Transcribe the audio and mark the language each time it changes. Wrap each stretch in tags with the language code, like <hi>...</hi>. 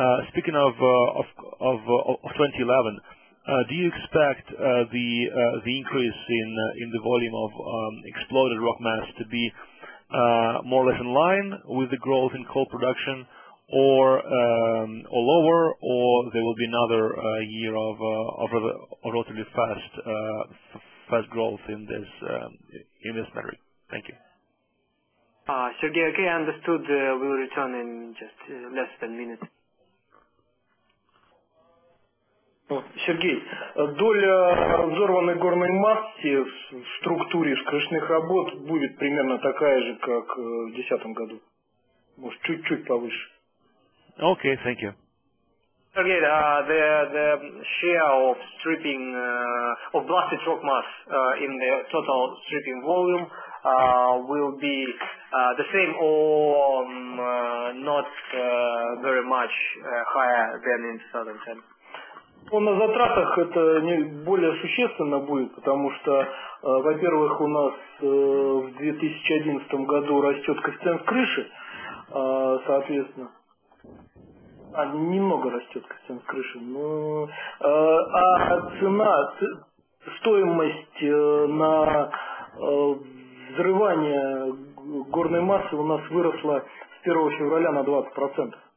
<en>Speaking of 2011, do you expect the increase in the volume of exploded rock mass to be more or less in line with the growth in coal production, or lower, or there will be another year of relatively fast fast growth in this metric? Thank you. Sergey, okay, understood. We'll return in just less than a minute.</en> <ru>Сергей, доля разорванной горной массы в структуре скрышных работ будет примерно такая же, как в 2010 году. Может, чуть-чуть повыше.</ru> <en>Okay, thank you. Okay, the share of stripping of blasted rock mass in the total stripping volume will be the same or not very much higher than in 2010.</en> <ru>Ну, на затратах это не более существенно будет, потому что, во-первых, у нас в 2011 году растет коэффициент крыши, соответственно. А, немного растет коэффициент крыши. Но, а цена, стоимость на взрывание горной массы у нас выросла с 1 февраля на 20%.</ru>